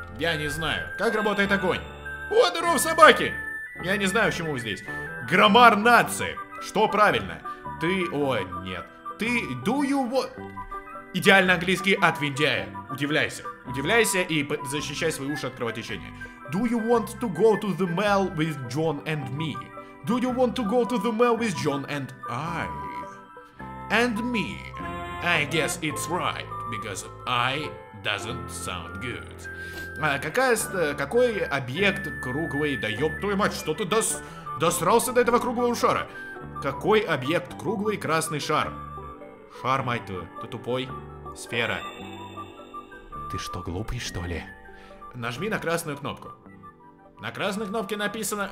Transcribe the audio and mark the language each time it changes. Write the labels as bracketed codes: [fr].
[ru] Я не знаю. Как работает огонь? О, здоров, собаки! Я не знаю, почему вы здесь. Граммар нации. Что правильно? Ты... Ой, нет. Ты... [en] Do you what... [ru] Идеальный английский от виндяя. Удивляйся. Удивляйся и защищай свои уши от кровотечения. [en] Do you want to go to the mall with John and me? Do you want to go to the mall with John and I? And me? I guess it's right, because I doesn't sound good. [ru] А какой объект круглый? Да ёб твою мать, что ты досрался до этого круглого шара? Какой объект круглый красный шар? Шар, мать твою, ты тупой. Сфера. Ты что, глупый, что ли? Нажми на красную кнопку. На красной кнопке написано...